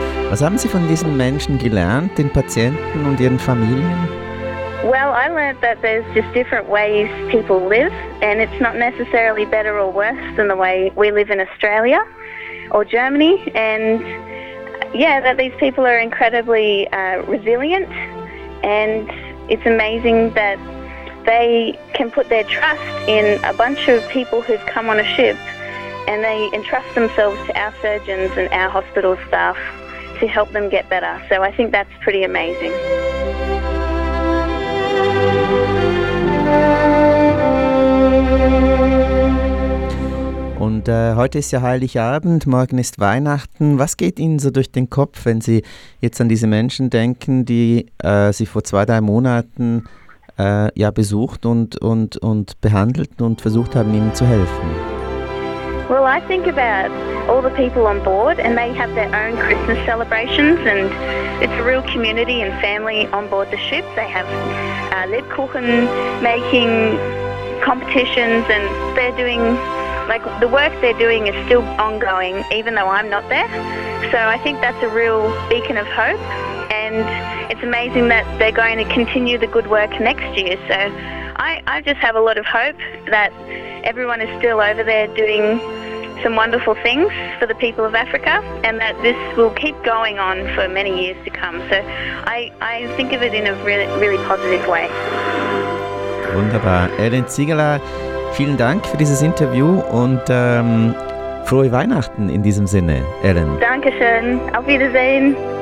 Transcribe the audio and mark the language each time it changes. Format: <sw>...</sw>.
<de>Was haben Sie von diesen Menschen gelernt, den Patienten und ihren Familien?</de> <en>Well, I learned that there's just different ways people live and it's not necessarily better or worse than the way we live in Australia or Germany and yeah, that these people are incredibly resilient and it's amazing that they can put their trust in a bunch of people who've come on a ship and they entrust themselves to our surgeons and our hospital staff. To help them get better. So I think that's pretty amazing.</en> <de>Und heute ist ja Heiligabend, morgen ist Weihnachten. Was geht Ihnen so durch den Kopf, wenn Sie jetzt an diese Menschen denken, die Sie vor 2-3 Monaten besucht und behandelt und versucht haben, Ihnen zu helfen?</de> <en>Well, I think about all the people on board and they have their own Christmas celebrations and it's a real community and family on board the ship. They have Lebkuchen making competitions and they're doing, like the work they're doing is still ongoing even though I'm not there. So I think that's a real beacon of hope and it's amazing that they're going to continue the good work next year. So I just have a lot of hope that everyone is still over there doing some wonderful things for the people of Africa and that this will keep going on for many years to come. So I think of it in a really, really positive way.</en> <de>Wunderbar. Ellen Ziegeler, vielen Dank für dieses Interview und frohe Weihnachten in diesem Sinne, Ellen. Dankeschön. Auf Wiedersehen.</de>